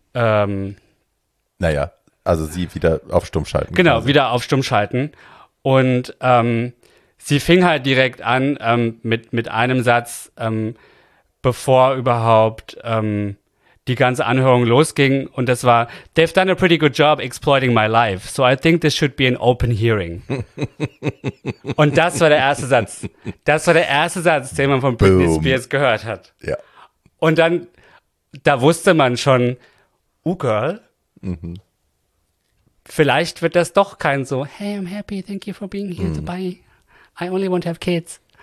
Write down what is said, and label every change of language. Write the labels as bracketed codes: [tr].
[de] Naja, also sie wieder auf Stumm schalten. Genau, quasi. Wieder auf Stumm schalten. Und sie fing halt direkt an mit einem Satz, bevor überhaupt die ganze Anhörung losging. Und das war, [en] they've done a pretty good job exploiting my life, so I think this should be an open hearing. [de] Und das war der erste Satz. Das war der erste Satz, den man von Britney Spears gehört hat. Ja. Und dann, da wusste man schon, U-Girl, vielleicht wird das doch kein so, [en] hey, I'm happy, thank you for being here, bye, I only want to have kids.